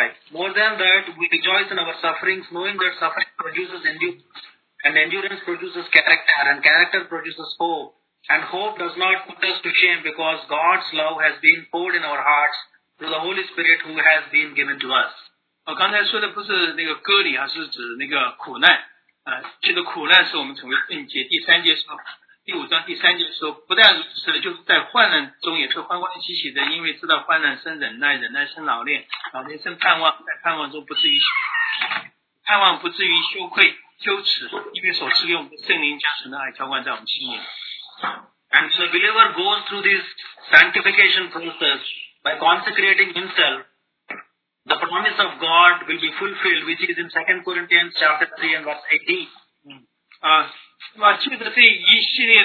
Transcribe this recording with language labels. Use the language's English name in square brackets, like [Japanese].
[English] More than that, we rejoice in our sufferings, knowing that suffering produces endurance, and endurance produces character, and character produces hope. And hope does not put us to shame because God's love has been poured in our hearts through the Holy Spirit who has been given to us. [Chinese] 刚才说的不是那个割礼，而是指那个苦难。记得苦难是我们成为圣洁。第三节说，第五章第三节说，不但是就是在患难中也是欢欢喜喜的，因为知道患难生忍耐，忍耐生老练，老练生盼望，在盼望中不至于羞愧羞耻，因为所赐给我们的圣灵将神的爱浇灌在我们心里。 [English] And so the believer goes through this sanctification process by consecrating himself. The promise of God will be fulfilled, which is in 2 Corinthians chapter 3 and verse 18.